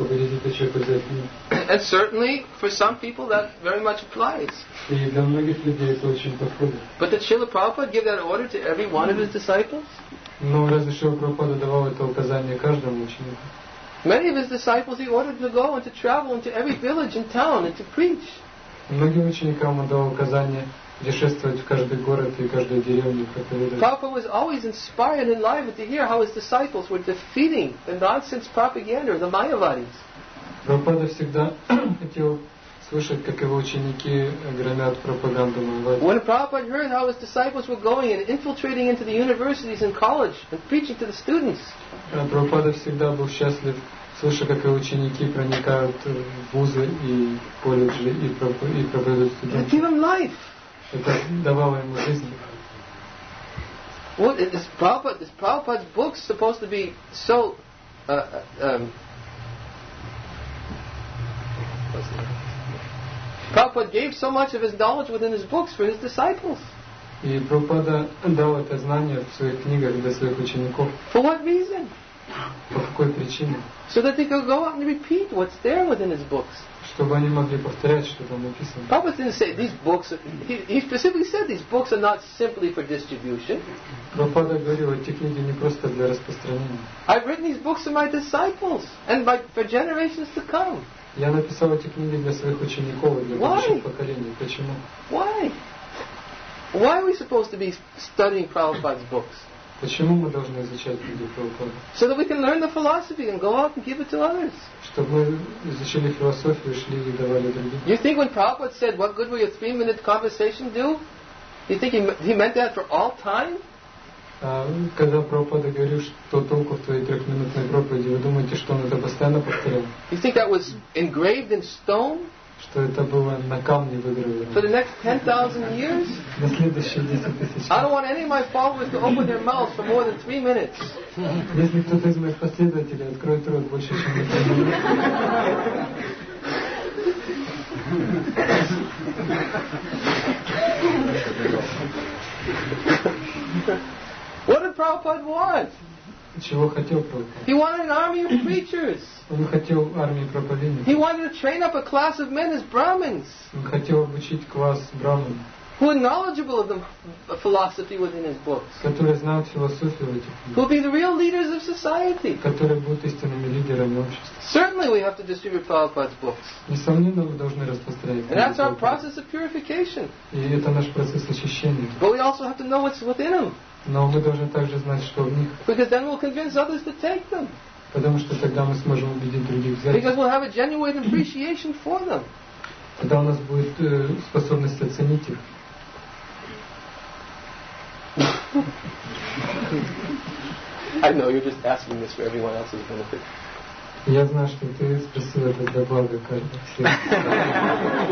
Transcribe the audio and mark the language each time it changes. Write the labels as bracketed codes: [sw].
[en] And certainly, for some people, that very much applies. But did Srila Prabhupada give that order to every one of his disciples? [ru] No, разве Шрила Прабхупада давал это указание каждому ученику? [en] Many of his disciples he ordered to go and to travel into every village and town and to preach. [ru] Многим ученикам он давал указание путешествовать в каждый город и каждую деревню проповедовать. [en] Prabhupada was always inspired and enlivened to hear how his disciples were defeating the nonsense propaganda of the Mayavadis. [ru] Prabhupada всегда хотел слышать, как его ученики громят пропаганду Майавадов. [en] When Prabhupada heard how his disciples were going and infiltrating into the universities and college and preaching to the students. [ru] Прабхупада всегда был счастлив, слыша, как его ученики проникают в вузы и колледжи и проповедуют студентам. [en] Give him life. [ru] Это давало ему жизнь. [en] What is Prabhupada? Is Prabhupada's book supposed to be so? Prabhupada gave so much of his knowledge within his books for his disciples. [ru] И Прабхупада дал это знание в своих книгах для своих учеников. [en] For what reason? [ru] По какой причине? [en] So that they could go out and repeat what's there within his books. [ru] Чтобы они могли повторять, что там написано. [en] Prabhupada didn't say these books. He specifically said these books are not simply for distribution. [ru] Прабхупада говорил, эти книги не просто для распространения. [en] I've written these books for my disciples and for generations to come. [ru] Я написал эти книги для своих учеников и для будущих поколений. Почему? [en] Why? Why are we supposed to be studying Prabhupada's books? [ru] Почему мы должны изучать книги Прабхупады? [en] So that we can learn the philosophy and go out and give it to others. [ru] Чтобы мы изучили философию, шли и давали другим. [en] You think when Prabhupada said, "What good will your 3-minute conversation do?" You think he meant that for all time? [ru] Когда Прабхупада говорил, что толку в твоей 3-минутной проповеди, вы думаете, что он это постоянно повторял? [en] You think that was engraved in stone? [ru] Что это было на камне выгравировано? [en] For the next 10,000 years? [ru] На следующие 10,000 лет. [en] I don't want any of my followers to open their mouths for more than 3 minutes. [ru] Если кто-то из моих последователей откроет рот больше, чем 3 минуты. [en] What did Prabhupada want? [ru] Чего хотел Прабхупада? [en] He wanted an army of preachers. [ru] Он хотел армию проповедников. [en] He wanted to train up a class of men as Brahmins. [ru] Он хотел обучить класс брахман. [en] Who are knowledgeable of the philosophy within his books. [ru] Которые знают философию в этих книгах. [en] Who will be the real leaders of society. [ru] Которые будут истинными лидерами общества. [en] Certainly we have to distribute Prabhupada's books. [ru] Несомненно, мы должны распространять книги. [en] And that's our process of purification. [ru] И это наш процесс очищения. [en] But we also have to know what's within them. [ru] Но мы должны также знать, что в них. [en] Because then we'll convince others to take them. [ru] Потому что тогда мы сможем убедить других взять. [en] Because we'll have a genuine appreciation for them. [ru] Тогда у нас будет способность оценить их. [en] I know you're just asking this for everyone else's benefit. [ru] Я знаю, что ты спросил это для блага каждого.